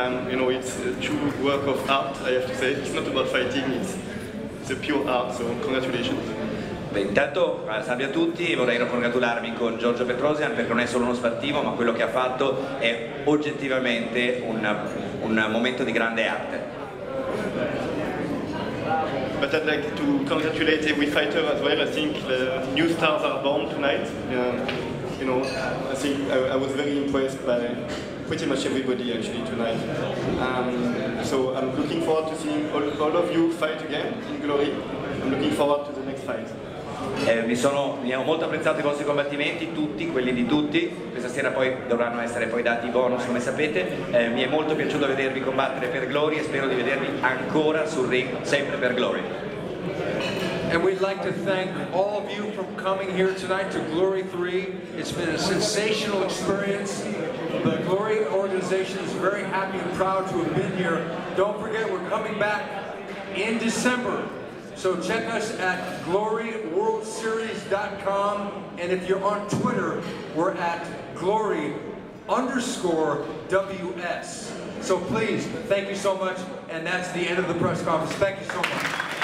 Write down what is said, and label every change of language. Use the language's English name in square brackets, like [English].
[English] You know, it's a true work of art, I have to say. It's not about fighting, it's a pure art, so congratulations. [Italian] Beh, intanto salve a tutti, vorrei congratularmi con Giorgio Petrosyan perché non è solo uno sportivo, ma quello che ha fatto è oggettivamente un momento di grande arte. [English] But I'd like to congratulate every fighter as well. I think the new stars are born tonight. You know, I think I was very impressed by pretty much everybody actually tonight. So I'm looking forward to seeing all of you fight again in Glory. I'm looking forward to the next fight. [Italian] Mi ho molto apprezzato i vostri combattimenti, tutti, quelli di tutti. Questa sera poi dovranno essere poi dati i bonus, come sapete. Mi è molto piaciuto vedervi combattere per Glory e spero di vedervi ancora sul ring, sempre per Glory. [English] And we'd like to thank all of you for coming here tonight to Glory 3. It's been a sensational experience. The Glory organization is very happy and proud to have been here. Don't forget, we're coming back in December. So check us at GloryWorldSeries.com, and if you're on Twitter, we're at Glory_WS. So please, thank you so much, and that's the end of the press conference. Thank you so much.